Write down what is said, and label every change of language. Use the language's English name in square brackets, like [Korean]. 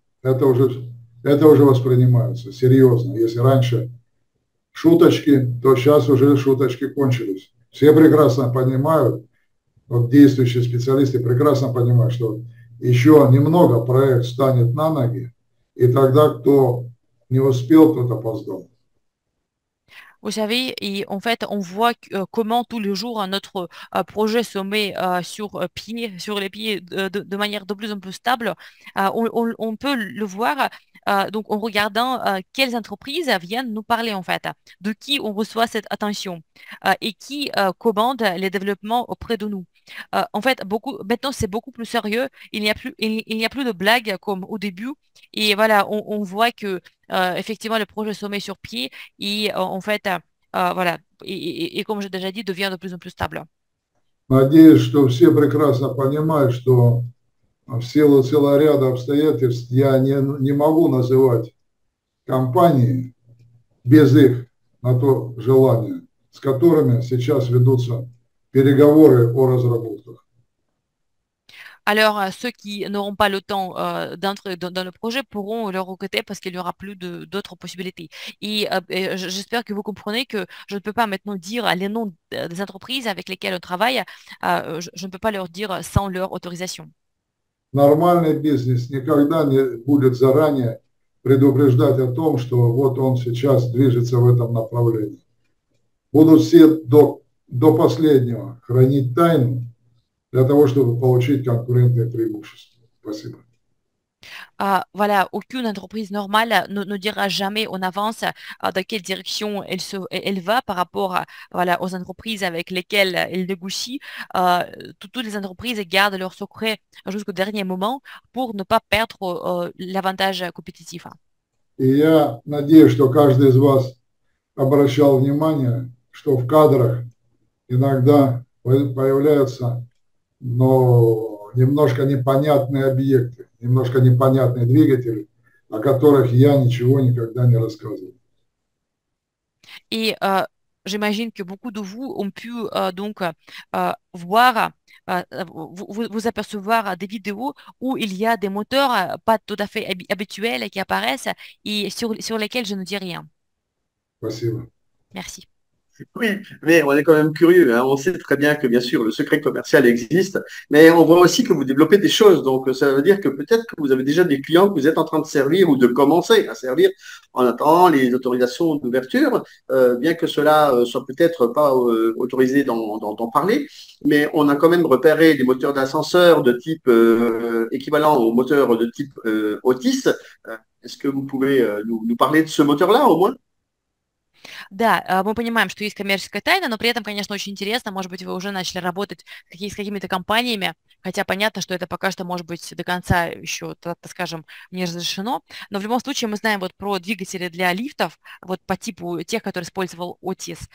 [Russian] Это уже воспринимается серьезно, если раньше шуточки, то сейчас уже шуточки кончились. Все прекрасно понимают, вот действующие специалисты прекрасно понимают, что еще немного проект встанет на ноги, и тогда кто не успел, тот опоздал. [French] Vous savez, et en fait, on voit comment tous les jours notre projet se met sur les pieds de manière de plus en plus stable. On peut le voir donc en regardant quelles entreprises viennent nous parler, en fait, de qui on reçoit cette attention et qui commande les développements auprès de nous. En fait, maintenant, c'est beaucoup plus sérieux. Il n'y a plus de blagues comme au début. Et voilà, on voit que effectivement, le projet se met sur pied et en fait, voilà, et comme j'ai déjà dit, devient de plus en plus stable. [Russian] Надеюсь, что все прекрасно понимают, что в силу целого ряда обстоятельств я не могу называть компании без их на то желания, с которыми сейчас ведутся переговоры о разработках. [French] Alors, ceux qui n'auront pas le temps d'entrer dans le projet pourront le regretter parce qu'il n'y aura plus d'autres possibilités. Et j'espère que vous comprenez que je ne peux pas maintenant dire les noms des entreprises avec lesquelles on travaille. Je ne peux pas leur dire sans leur autorisation. [Russian] Нормальный бизнес никогда не будет заранее предупреждать о том, что вот он сейчас движется в этом направлении. Будут все до последнего хранить тайну для того, чтобы получить конкурентное преимущество. Спасибо. [French] Voilà, aucune entreprise normale ne dira jamais en avance dans quelle direction elle va par rapport voilà, aux entreprises avec lesquelles elle négocie. Toutes les entreprises gardent leur secret jusqu'au dernier moment pour ne pas perdre l'avantage compétitif. [Russian] И я надеюсь, что каждый из вас обращал внимание, что в кадрах иногда появляются, ну, немножко непонятные объекты, немножко непонятные двигатели, о которых я ничего никогда не рассказывал. [French] Et j'imagine que beaucoup de vous ont pu donc voir, vous apercevoir des vidéos où il y a des moteurs pas tout à fait habituels qui apparaissent et sur lesquels je ne dis rien. [Russian] Спасибо. [French] Merci. Oui, mais on est quand même curieux, hein. On sait très bien que, bien sûr, le secret commercial existe, mais on voit aussi que vous développez des choses. Donc, ça veut dire que peut-être que vous avez déjà des clients que vous êtes en train de servir ou de commencer à servir en attendant les autorisations d'ouverture, bien que cela ne soit peut-être pas autorisé d'en parler. Mais on a quand même repéré des moteurs d'ascenseur de type équivalent aux moteurs de type Otis. Est-ce que vous pouvez nous parler de ce moteur-là, au moins? [Russian] Да, мы понимаем, что есть коммерческая тайна, но при этом, конечно, очень интересно. Может быть, вы уже начали работать с какими-то компаниями, хотя понятно, что это пока что, может быть, до конца еще, так скажем, не разрешено. Но в любом случае мы знаем вот про двигатели для лифтов, вот по типу тех, которые использовал Otis.